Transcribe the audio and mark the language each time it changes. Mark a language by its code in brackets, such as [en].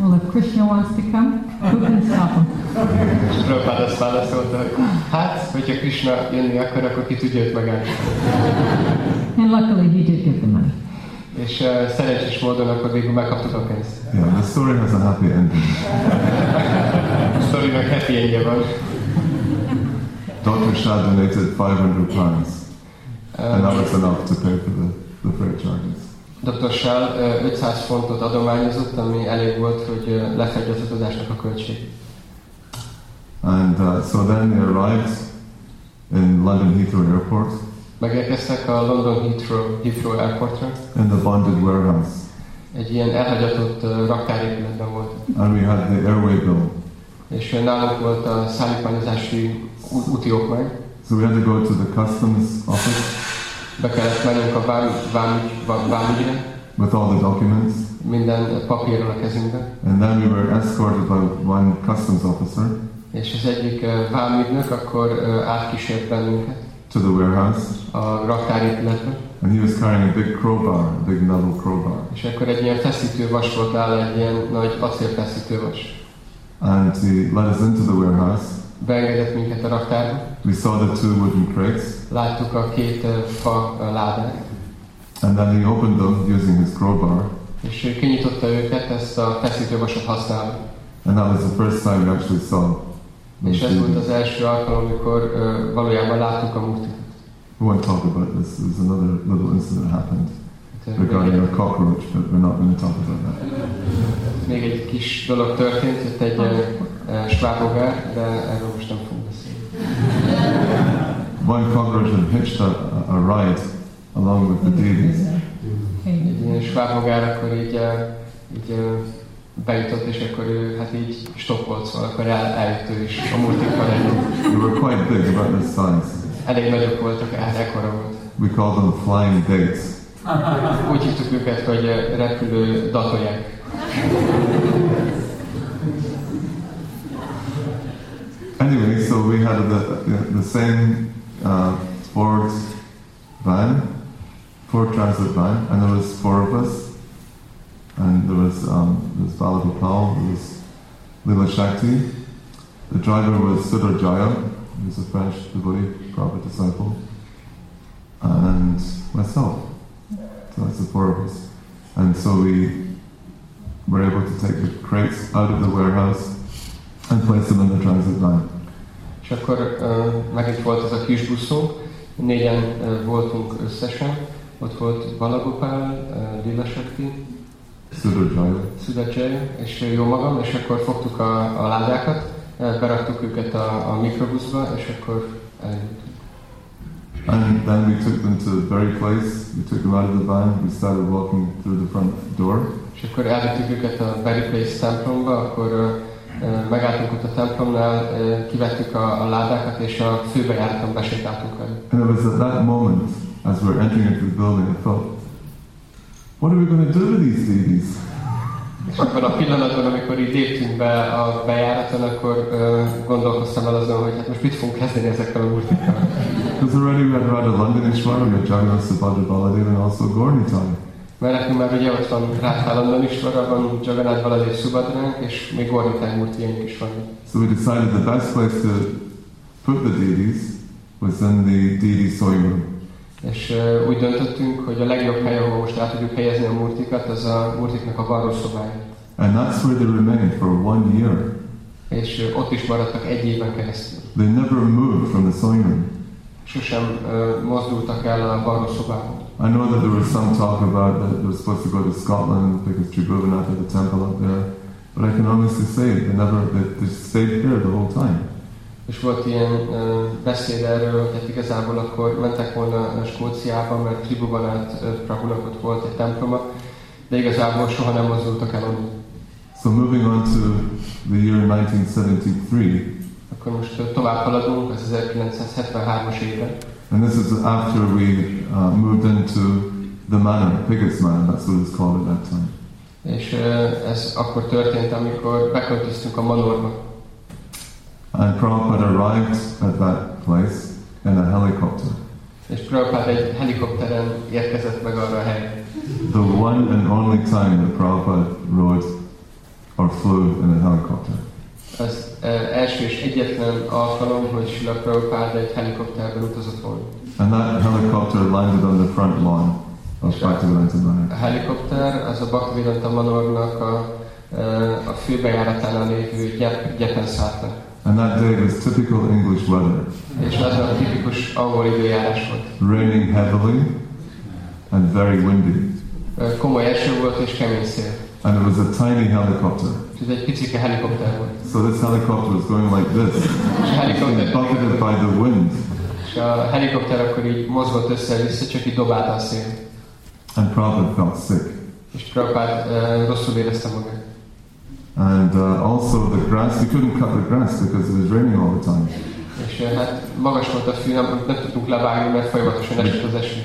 [en] Krishna wants to come, who can stop him? [hu] Prabhupada azt válaszolta, hát, hogyha Krishna jönni akar, akkor ki tudja őt megállni. [en] And luckily he did give the money. [hu] És szerencsés módon akkor végül megkaptuk a pénzt. [en] Yeah, the story has a happy ending. [hu] A story-nak happy endje van. [en] Dr. Shah donated 500 pounds. And that was enough to pay for the freight charges. [hu] Dr. Shah 500 fontot adományozott, ami elég volt, hogy lefedje az utazásnak a költség. [en] And so then they arrived in London Heathrow Airport. [hu] Megérkeztek a London Heathrow Airportra. [en] In the bonded warehouse. [hu] Egy ilyen elhagyatott raktár épületben volt. [en] And we had the airway bill. [hu] És nálunk volt a szállítmányozási úti okmány. [en] So we had to go to the customs office. [hu] Be kellett mennünk a vámügyre. [en] With all the documents. [hu] Minden papírral a kezünkben. [en] And then we were escorted by one customs officer. [hu] És az egyik vámügynök akkor átkísért bennünket. [en] To the warehouse. [hu] A raktár épületbe. [en] And he was carrying a big crowbar, a big metal crowbar. [hu] És akkor egy ilyen feszítővas volt áll, egy ilyen nagy acélfeszítővas. [en] And he led us into the warehouse. [hu] Beengedett minket a raktárba. [en] We saw the two wooden crates. [hu] Láttuk a két fa ládát. [en] And then he opened them using his crowbar. [hu] És kinyitotta őket, ezt a feszítővasat használva. [en] And that was the first time we actually saw. [hu] És ez volt az első alkalom, amikor valójában láttuk a múltit. [en] We won't talk about this. There's another little incident that happened regarding a cockroach, but we're not going to talk about that. [hu] Még egy kis dolog történt, itt egy svábogár, de erről most nem fogunk beszélni. [en] One cockroach had hitched a ride along with the deities. [hu] Egy ilyen svábogár akkor így bejutott, és akkor ő hát így stoppolt, szóval akkor eljött ő is a múltikkal együtt. [en] We were quite big about this size. [hu] Elég nagyok voltak, ekkora volt. [en] We called them flying dates. [hu] Úgy hívtuk őket, hogy repülő datolyák. [en] Anyway, so we had the same Ford van, Ford Transit van, and there was four of us. And there was Balabhapal, there was Lila Shakti. The driver was Siddharjaya, who was a French devotee, prophet disciple. And myself. So that's the four of us. And so we were able to take the crates out of the warehouse and place them in the transit line. [hu] És akkor megint volt ez a kis buszunk, négyen voltunk összesen. Ott volt Balabhapal, Lila Shakti, Siddharjaya, és jó magam, és akkor fogtuk a ládákat, beraktuk őket a mikrobuszba, és akkor elindultunk. [en] And then we took them to the very place, we took them out of the van, we started walking through the front door. [hu] És akkor elvittük őket a very place templomba, akkor megálltunk ott a templomnál, kivettük a ládákat, és a főbejáraton besétáltunk el. [en] And it was at that moment, as we were entering into the building, I felt, what are we going to do with these deities? [hu] És akkor a pillanatban, amikor így léptünk be a bejáraton, akkor gondolkoztam el azon, hogy hát most mit fogunk kezdeni ezekkel a múltikkal. [en] Because already we had read a London Ishwara, we had Jagannath Subhadra Baladev and also Gorni Thai. [hu] Mert nekünk már ugye ott van Ráthá London Ishwara, van Jagannath Baladev Subhadránk, és még Gorni Thai múltiénk is van. [en] So we decided the best place to put the deities was in the deity sewing room. [hu] És úgy döntöttünk, hogy a legjobb hely, ahol most el tudjuk helyezni a murtikat, az a murtiknak a varrószobája. [en] And that's where they remained for one year. [hu] És ott is maradtak egy éven keresztül. [en] They never moved from the sewing room. [hu] Sosem mozdultak el a varrószobába. [en] I know that there was some talk about that they were supposed to go to Scotland because Tribhuvanath had a temple up there, but I can honestly say they stayed here the whole time. [hu] És volt ilyen beszéd erről, hogy igazából akkor mentek volna Skóciába, mert Tribhuvanath Prabhunak ott volt egy temploma, de igazából soha nem mozdultak el onnan. [en] So moving on to the year 1973. [hu] Akkor most tovább haladunk, ez 1973-as éve. [en] And this is after we moved into the manor, Pigot's manor, that's what it was called at that time. [hu] És ez akkor történt, amikor beköltöztünk a manorba. [en] And Prabhupada arrived at that place in a helicopter. [hu] És Prabhupada egy helikopteren érkezett meg arra a helyre. [en] The one and only time that Prabhupada rode or flew in a helicopter. [hu] Az első és egyetlen alkalom, hogy Srila Prabhupada egy helikopterben utazott volna. [en] And that helicopter landed on the front lawn of Bhaktivedanta Manor. [hu] A helikopter az a Bhaktivedanta Manornak a főbejáratánál lévő gyepen szállt. [en] And that day was typical English weather. [hu] És az a tipikus angol időjárás volt. [en] Raining heavily and very windy. [hu] Komoly eső volt és kemény szél. [en] And it was a tiny helicopter. [hu] Ez egy picike helikopter volt. [en] So this helicopter was going like this. [hu] És a helikopter [en] buffeted by the wind. [hu] És a helikopter akkor így mozgott össze-vissza, csak így dobált a szél. [en] And Prabhupada felt sick. [hu] És Prabhupada rosszul érezte magát. [en] And also the grass, we couldn't cut the grass because it was raining all the time. [hu] És hát magas volt a fű, nem tudtuk levágni, mert folyamatosan esett az eső.